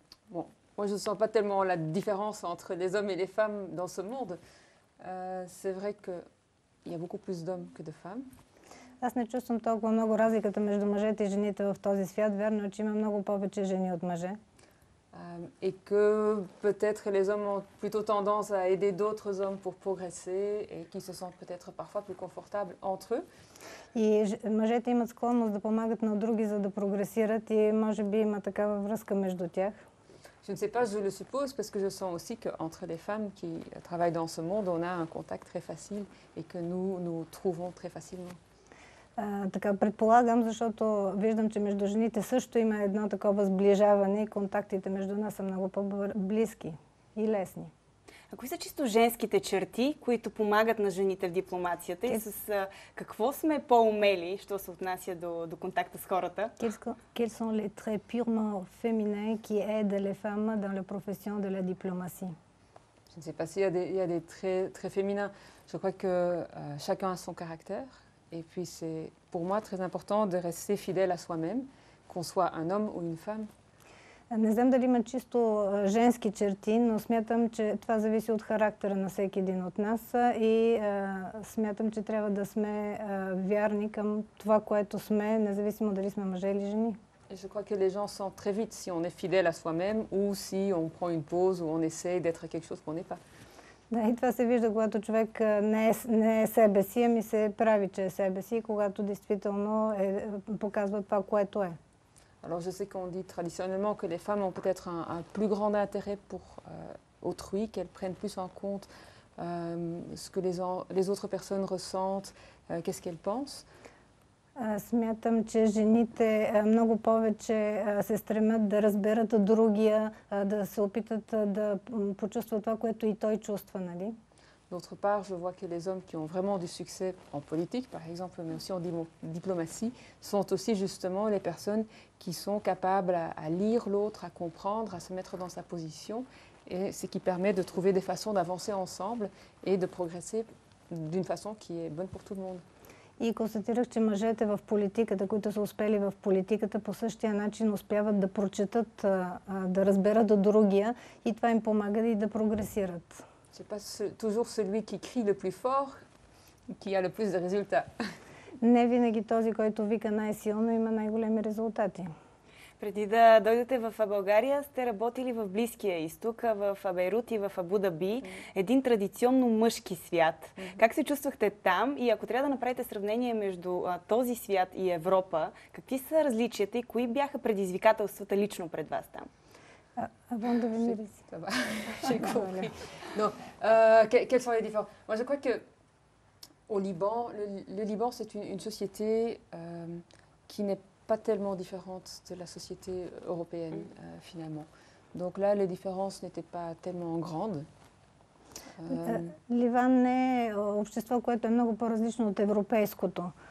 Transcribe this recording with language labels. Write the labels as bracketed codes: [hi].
[fr] Moi, je ne sens pas tellement la différence entre les hommes et les femmes dans ce monde. C'est vrai qu'il y a beaucoup plus d'hommes que de femmes. [bg] Аз не чувствам толкова много разликата между мъжете и жените в този свят. Верно е, че има много повече жени от мъже. [fr] Et que peut-être les hommes ont plutôt tendance à aider d'autres hommes pour progresser et qu'ils se sentent peut-être parfois plus confortables entre eux. [bg] И мъжете имат склонност да помагат на други, за да прогресират и може би има такава връзка между тях. [fr] Je ne sais pas, je le suppose, parce que je sens aussi qu'entre les femmes qui travaillent dans ce monde, on a un contact très facile et que nous nous trouvons très facilement. [bg] Така предполагам, защото виждам, че между жените също има едно такова сближаване и контактите между нас са много по-близки и лесни. А кои са чисто женските черти, които помагат на жените в дипломацията и с какво сме по-умели, що се отнася до контакта с хората? [fr] Quels sont les traits purement féminins qui aident les femmes dans la profession de la diplomatie? Je ne sais pas s'il y a des traits très féminins. Je crois que chacun a son caractère et puis c'est pour moi très important de rester fidèle à soi-même, qu'on soit un homme ou une femme. [bg] Не знам дали има чисто женски черти, но смятам, че това зависи от характера на всеки един от нас и смятам, че трябва да сме вярни към това, което сме, независимо дали сме мъже или жени. [fr] Je crois que les gens sont très vite si on est fidèle à soi-même ou si on prend une pause ou on essaie d'être quelque chose qu'on n'est pas. [bg] Да, и това се вижда, когато човек не е себе си, ами се прави, че е себе си, когато действително показва това, което е. [fr] Alors je sais qu'on dit traditionnellement que les femmes ont peut-être un plus grand intérêt pour autrui, qu'elles prennent plus en compte ce que les autres personnes ressentent, qu'est-ce qu'elles pensent. [bg] Смятам, че жените много повече се стремят да разберат другия, да се опитат да почувстват това, което и той чувства, нали? [fr] D'autre part, je vois que les hommes qui ont vraiment du succès en politique, par exemple, mais aussi en diplomatie, sont aussi justement les personnes qui sont capables à lire l'autre, à comprendre, à se mettre dans sa position, et ce qui permet de trouver des façons d'avancer ensemble et de progresser d'une façon qui est bonne pour tout le monde. [bg] И констатирах, че мъжете в политиката, които са успели в политиката, по същия начин успяват да прочетат, да разберат от другия и това им помага и да прогресират. [fr] Ce n'est pas toujours celui qui crie le plus fort qui a le plus de résultats. [bg] Не винаги този, който вика най-силно, има най-големи резултати. Преди да дойдете в България, сте работили в Близкия изток, в Бейрут и в Абу Даби, един традиционно мъжки свят. Как се чувствахте там и ако трябва да направите сравнение между този свят и Европа, какви са различията и кои бяха предизвикателствата лично пред вас там? [fr] Avant de venir ici. Ça va, j'ai compris. Non, quelles sont les différences? Moi, je crois qu'au Liban, le Liban, c'est une société qui n'est pas tellement différente de la société européenne, finalement. Donc là, les différences n'étaient pas tellement grandes. [bg] Ливан не е общество, което е много по-различно от европейското.